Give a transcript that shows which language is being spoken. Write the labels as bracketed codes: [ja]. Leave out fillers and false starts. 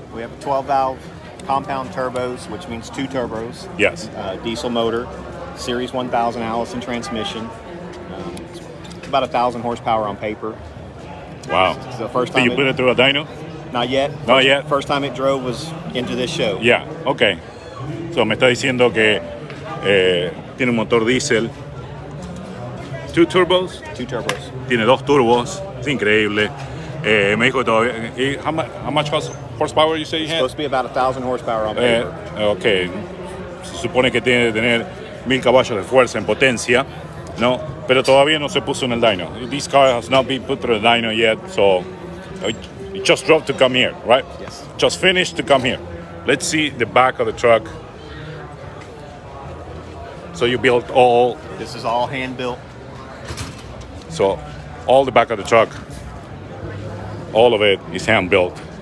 [en] We have a 12-valve compound turbos, which means two turbos. Yes. Diesel motor, series 1000 Allison transmission. It's about 1000 horsepower on paper. Wow. The first time you put it through a dyno? Not yet. Not yet. First time it drove was into this show. Yeah. Okay. [es] So me está diciendo que tiene un motor diésel. [en] Two turbos? Two turbos. [es] Tiene dos turbos. Es increíble. Me dijo que todavía... [en] How much horsepower you say you had? Supposed to be about 1,000 horsepower on paper. Okay. [es] Se supone que tiene que tener 1,000 caballos de fuerza en potencia, ¿no? Pero todavía no se puso en el dyno. [en] This car has not been put through the dyno yet, so... It just drove to come here, right? Yes. Just finished to come here. Let's see the back of the truck. So you built all... This is all hand-built. So, all the back of the truck, all of it is hand-built.